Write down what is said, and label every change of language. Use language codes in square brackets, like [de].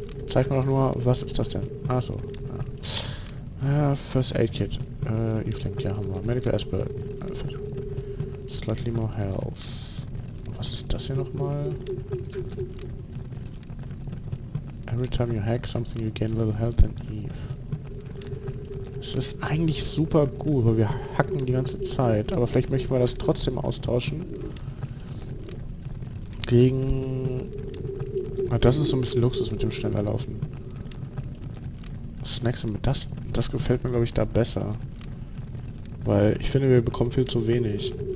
[de] Zeig mir doch nur, was ist das denn? Achso. Ja. First Aid Kit. Eve-Link, ja, haben wir. Medical Expert. [en] Slightly more health. [de] Was ist das hier nochmal? [en] Every time you hack something, you gain a little health and Eve. [de] Das ist eigentlich super gut, weil wir hacken die ganze Zeit. Aber vielleicht möchten wir das trotzdem austauschen. Gegen... das ist so ein bisschen Luxus mit dem Schnellerlaufen. Snacks und das, das gefällt mir, glaube ich, da besser. Weil ich finde, wir bekommen viel zu wenig.